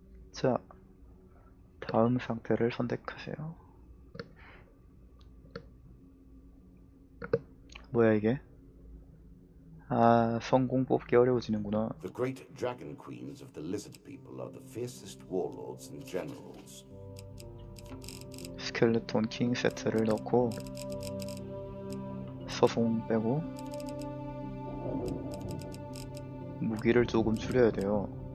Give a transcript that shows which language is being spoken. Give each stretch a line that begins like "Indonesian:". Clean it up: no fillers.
Korean: 자, 다음 상태를 선택하세요. 뭐야 이게? 아, 성공 뽑기 어려워지는구나.
English: The great dragon queens of the lizard people are the fiercest warlords and generals.
Korean: 스켈레톤 킹 세트를 넣고 서송 빼고 무기를 조금 줄여야 돼요.